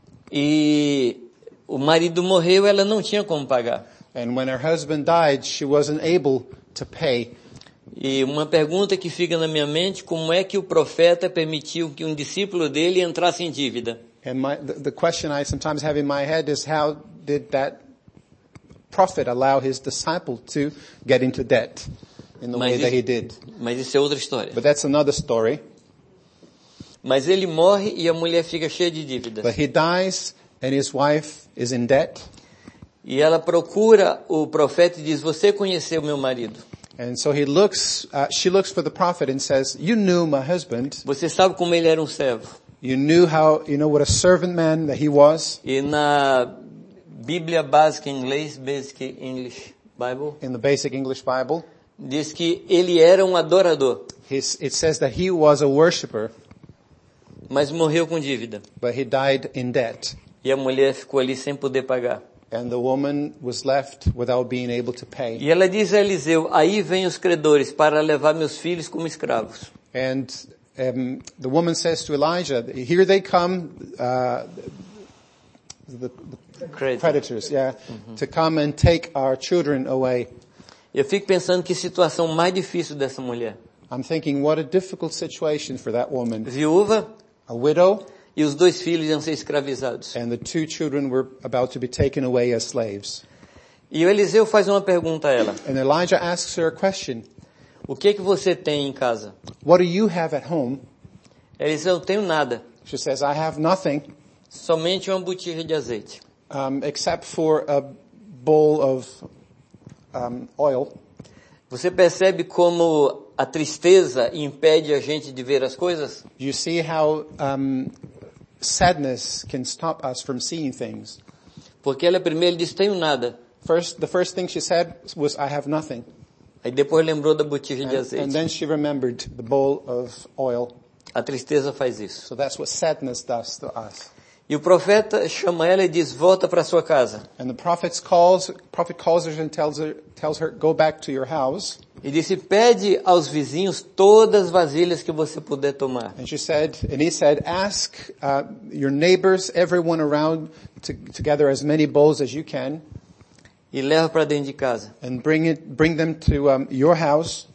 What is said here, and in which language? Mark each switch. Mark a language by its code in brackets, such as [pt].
[pt] E o marido morreu, ela não tinha como pagar. [en] And when her husband died, she wasn't able to pay. [pt] E uma pergunta que fica na minha mente, como é que o profeta permitiu que um discípulo dele entrasse em dívida? [en] And the question I sometimes have in my head is, how did that prophet allow his disciple to get into debt in the way that he did? [pt] Mas isso é outra história. [en] But that's another story. [pt] Mas ele morre e a mulher fica cheia de dívida. [en] But he dies and his wife is in debt. [pt] E ela procura o profeta e diz: você conheceu meu marido? [en] And so he looks, she looks for the prophet and says, you knew my husband. [pt] Você sabe como ele era um servo. [en] You knew how, you know what a servant man that he was. [pt] E na Bíblia básica em inglês, Basic English Bible. [en] In the Basic English Bible. [pt] Diz que ele era um adorador. [en] It says that he was a worshipper. [pt] Mas morreu com dívida. [en] But he died in debt. [pt] E a mulher ficou ali sem poder pagar. [en] And the woman was left without being able to pay. [pt] E ela diz a Eliseu: aí vêm os credores para levar meus filhos como escravos. [en] And the woman says to Elijah, here they come, creditors, yeah, to come and take our children away. [pt] Eu fico pensando que situação mais difícil dessa mulher. [en] I'm thinking, what a difficult situation for that woman. [pt] Viúva. [en] A widow. [pt] E os dois filhos iam ser escravizados. [en] And the two children were about to be taken away as slaves. [pt] E o Eliseu faz uma pergunta a ela. [en] And Elijah asks her a question. [pt] O que é que você tem em casa? [en] What do you have at home? [pt] Ela diz: eu tenho nada. [en] She says, I have nothing. [pt] Somente uma botija de azeite. [en] Except for a bowl of oil. [pt] Você percebe como a tristeza impede a gente de ver as coisas? [en] You see how sadness can stop us from seeing things. [pt] Porque ela primeiro disse: tenho nada. [en] The first thing she said was, I have nothing. [pt] Aí depois lembrou da botija de azeite. [en] And then she remembered the bowl of oil. [pt] A tristeza faz isso. [en] So that's what sadness does to us. [pt] E o profeta chama ela e diz: volta para sua casa. [en] And the prophet calls her and tells her, go back to your house. [pt] E disse: pede aos vizinhos todas as vasilhas que você puder tomar. [en] And she said, and he said, ask your neighbors, everyone around, to gather as many bowls as you can. [pt] E leva para dentro de casa. [en] And bring them to your house.